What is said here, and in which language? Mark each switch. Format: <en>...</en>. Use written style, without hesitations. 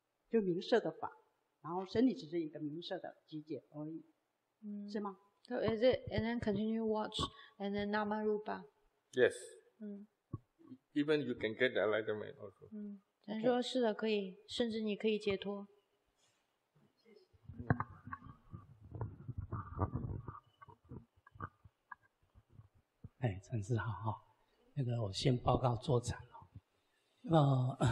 <zh>就名色的法，然后身体只是一个名色的集结而已，是吗？</zh> <en>So is it and then continue watch and then nama rupa? Yes. Even you can get the enlightenment also.</en> <zh>咱说是的，可以，甚至你可以解脱。哎，禅师好哈。那个我先报告坐禅哦。</zh>